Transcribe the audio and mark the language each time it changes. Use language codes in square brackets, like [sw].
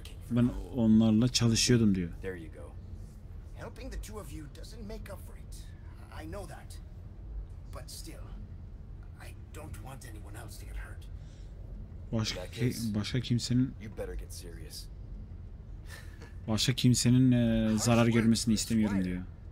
[tr] Ben onlarla çalışıyordum diyor. [en] Helping the two of you doesn't make up for it. I know that. But still, I don't want anyone else to get hurt. [tr] Başka kimsenin zarar görmesini istemiyorum diyor.